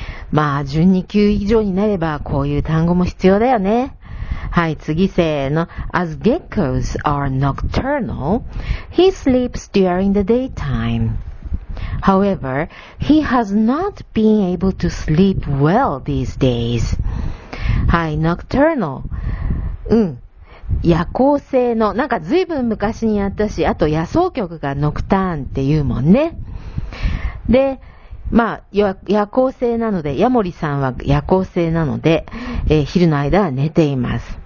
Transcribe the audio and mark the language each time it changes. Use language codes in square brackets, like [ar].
[ja] まあ、準2級以上になれば、こういう単語も必要だよね。はい、次せーの。 [en] As geckos are nocturnal, he sleeps during the daytime. However, he has not been able to sleep well these days. [ja] はい、nocturnal。夜行性の、なんか随分昔にやったし、あと野草曲がノクターンって言うもんね。で、まあ、夜行性なので、ヤモリさんは夜行性なので、昼の間は寝ています。